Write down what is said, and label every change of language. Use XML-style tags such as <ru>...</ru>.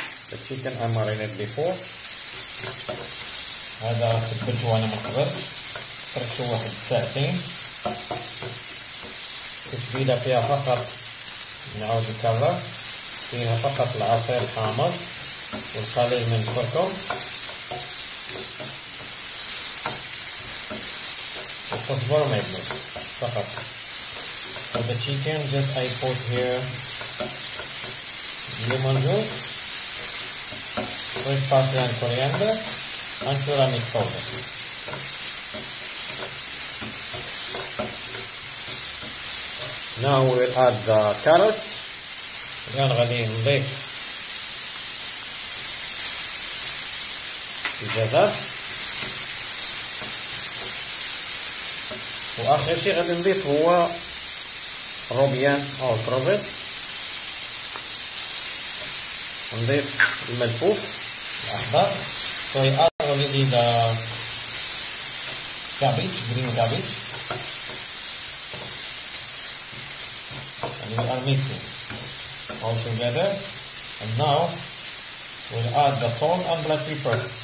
<en>The chicken I marinated before.</en> <ar>هذا تبلته أنا من قبل، تركته واحد ساعتين. التتبيلة فيها فقط، نعاود نكرر، فيها فقط العصير الحامض والقليل من الكركم، والكزبرة ما يبلوش فقط.</ar> <en>For the chicken just I put here lemon juice, fresh parsley and coriander. And ceramic powder. Now we will add the carrots. We are going to add the carrots. And the last thing we will add is the روبيان or بروبيت. And the</en> <ar>ملفوف الأخضر.</ar> <en>So we add already the cabbage, green cabbage, and we are mixing all together. And now we'll add the salt and black pepper.</en>